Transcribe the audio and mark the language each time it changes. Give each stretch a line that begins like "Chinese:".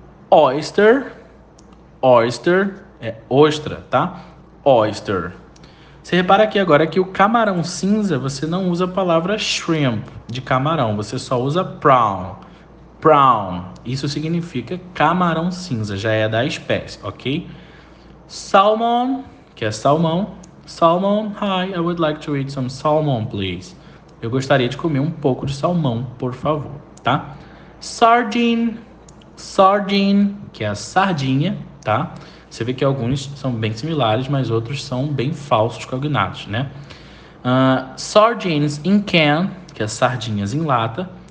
English: Oyster, oyster, é ostra, tá? Oyster.
Portuguese: Você repara aqui agora que o camarão cinza, você não usa a palavra shrimp de camarão, você só usa prawn. Prawn. Isso significa camarão cinza, já é da espécie, ok? Salmon, que é salmão.
English: Salmon, hi, I would like to eat some salmon, please.
Portuguese: Eu gostaria de comer um pouco de salmão, por favor, tá? Sardine, sardine, que é a sardinha, tá? Você vê que alguns são bem similares, mas outros são bem falsos cognatos, né? Sardines in can, que é sardinhas em lata.